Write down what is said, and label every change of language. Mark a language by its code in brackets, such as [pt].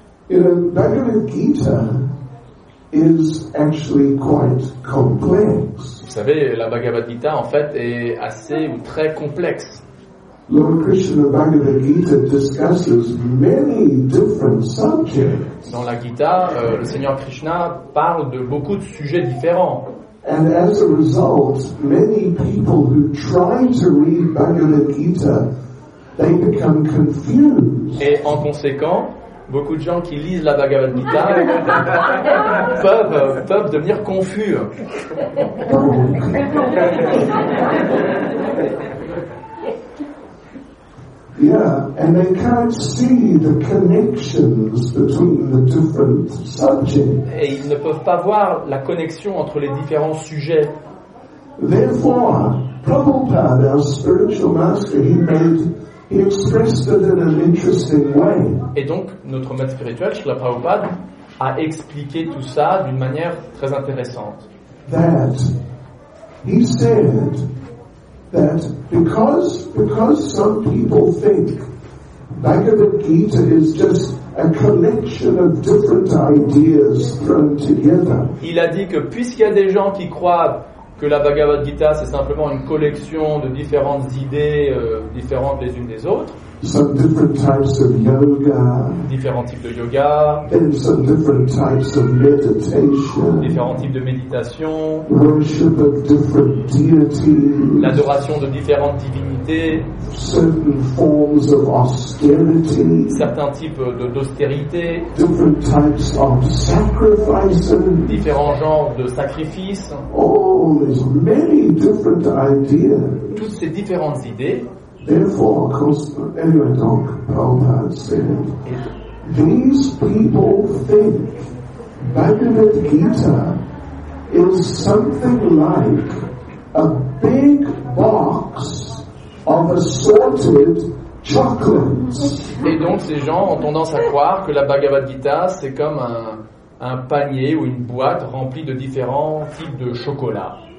[en] You know, Bhagavad Gita is actually quite complex. [fr] Vous savez, la Bhagavad Gita en fait est assez ou très complexe. [en] Lord Krishna Bhagavad Gita discusses many different subjects. [fr] Dans la Gita, le Seigneur Krishna parle de beaucoup de sujets différents. [en] And as a result, many people who try to read Bhagavad Gita, they become confused. [fr] Et en conséquent, beaucoup de gens qui lisent la Bhagavad Gita peuvent devenir confus. [en] Yeah, and they can't see the connections between the different subjects. [fr] Et ils ne peuvent pas voir la connexion entre les différents sujets. [en] Therefore, Prabhupada, our spiritual master, he expressed it in an interesting way. [fr] Et donc, notre maître spirituel, Srila Prabhupada, a expliqué tout ça d'une manière très intéressante. [en] That he said that because some people think Bhagavad Gita is just a collection of different ideas thrown together. [fr] Il a dit que puisqu'il y a des gens qui croient que la Bhagavad Gita c'est simplement une collection de différentes idées différentes les unes des autres. [en] Some different types of yoga. [fr] Différents types de yoga. [en] And some different types of meditation. [fr] Différents types de méditation. [en] Worship of different deities. [fr] L'adoration de différentes divinités. [en] Certain forms of austerity. [fr] Certains types d'austérité. [en] Different types of sacrifices. [fr] Différents genres de sacrifices. [en] Oh, there's many different ideas. [fr] Toutes ces différentes idées. [en] Therefore, of course, anyway, donc, Prabhupada said, these people think Bhagavad Gita is something like a big box of assorted chocolates. [fr] Et donc, ces gens ont tendance à croire que la Bhagavad Gita, c'est comme un panier ou une boîte remplie de différents types de chocolat.